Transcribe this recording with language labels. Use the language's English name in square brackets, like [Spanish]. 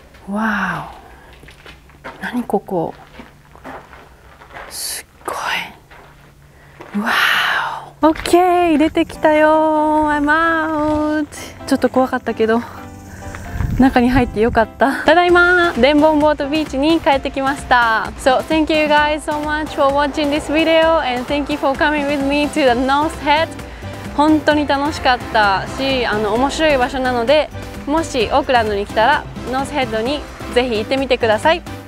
[Japanese] わお、何ここ、すっごい、わお、 OK、 出てきたよ、 [English] I'm out。 [Japanese] ちょっと怖かったけど中に入ってよかった。ただいま、デンボンボートビーチに帰ってきました。 [English] So thank you guys so much for watching this video and thank you for coming with me to the North Head。 [Japanese] 本当に楽しかったし、面白い場所なので、もしオークランドに来たらノースヘッドにぜひ行ってみてください。